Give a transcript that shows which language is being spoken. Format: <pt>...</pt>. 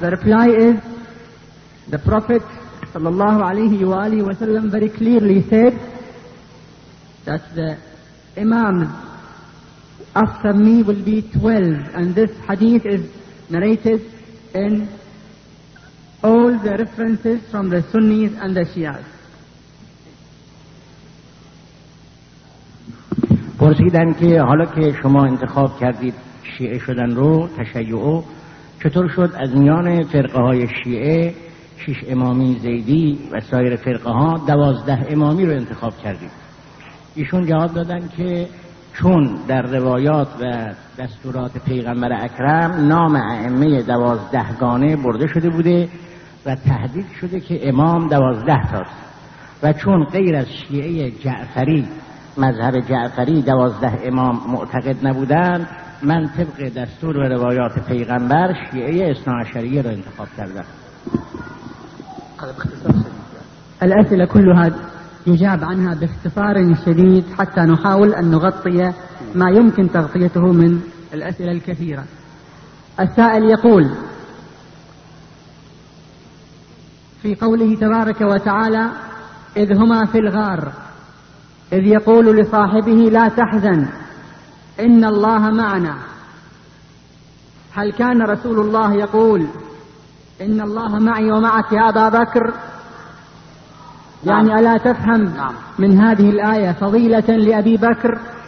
<en>The reply is, the Prophet</en> <ar>sallallahu alayhi wa alihi wasallam</ar> <en>very clearly said that the Imams after me will be 12, and this hadith is narrated in all the references from the Sunnis and the Shias.</en> <fa>پرسیدن که حالا که شما انتخاب کردید شیعه شدن رو، تشیعو، چطور شد از میان فرقه های شیعه، شش امامی، زیدی و سایر فرقه ها، 12 امامی رو انتخاب کردید؟ ایشون جواب دادن که چون در روایات و دستورات پیغمبر اکرم نام ائمه 12 گانه برده شده بوده و تهدید شده که امام 12 تاست، و چون غیر از شیعه جعفری، مذهب جعفری، 12 امام معتقد نبودن، من طبق دستور و روایات پیغمبر شیعه اثناعشری را انتخاب کردم.</fa> <ar>الاسئله كلها يجاب عنها باختصار شديد حتى نحاول ان نغطي ما يمكن تغطيته من الأسئلة الكثيرة. السائل يقول في قوله تبارك وتعالى: إذ هما في الغار إذ يقول لصاحبه لا تحزن إن الله معنا، هل كان رسول الله يقول إن الله معي ومعك يا أبا بكر؟ يعني ألا تفهم من هذه الآية فضيلة لأبي بكر؟</ar>